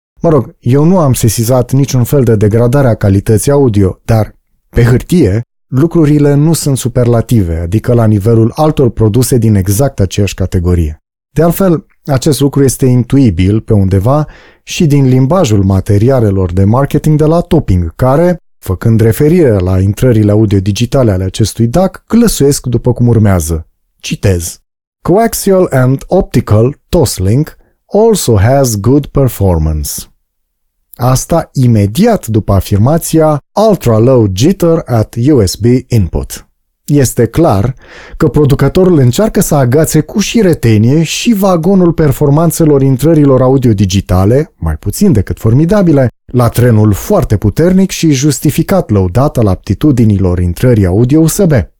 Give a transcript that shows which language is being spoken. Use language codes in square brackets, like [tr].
[ro] Mă rog, eu nu am sesizat niciun fel de degradare a calității audio, dar, pe hârtie, lucrurile nu sunt superlative, adică la nivelul altor produse din exact aceeași categorie. De altfel, acest lucru este intuibil pe undeva și din limbajul materialelor de marketing de la Topping, care, făcând referire la intrările audio digitale ale acestui DAC, glăsuiesc după cum urmează. Citez. [en] Coaxial and optical Toslink also has good performance. [ro] Asta imediat după afirmația [en] ultra low jitter at USB input. [ro] Este clar că producătorul încearcă să agațe cu și retenie și vagonul performanțelor intrărilor audio-digitale, mai puțin decât formidabile, la trenul foarte puternic și justificat lăudat al aptitudinilor intrării audio USB.